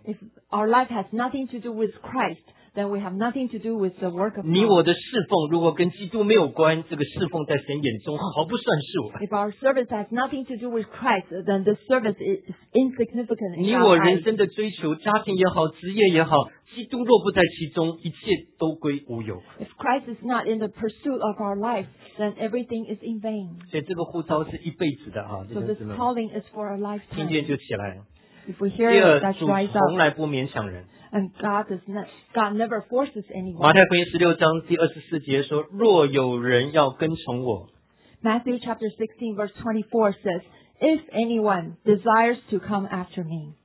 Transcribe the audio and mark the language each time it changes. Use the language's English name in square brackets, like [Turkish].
[English] If our life has nothing to do with Christ, then we have nothing to do with the work of God. [Chinese] 你我的侍奉如果跟基督没有关, 这个侍奉在神眼中毫不算数。 [English] If our service has nothing to do with Christ, then the service is insignificant. [Chinese] 你我人生的追求, 家庭也好, 职业也好, 基督若不在其中, 一切都归无有。 [English] If Christ is not in the pursuit of our life, then everything is in vain. [Chinese] 所以这个呼召是一辈子的啊, [English] so this calling is for a lifetime. [Chinese] 听见就起来。 [English] If we hear it, let's rise up. [Chinese] 从来不勉强人。 [English] And God never forces anyone. [Chinese] 马太福音16章第24节说，若有人要跟从我。 [English] Matthew chapter 16 verse 24 says, if anyone desires to come after me.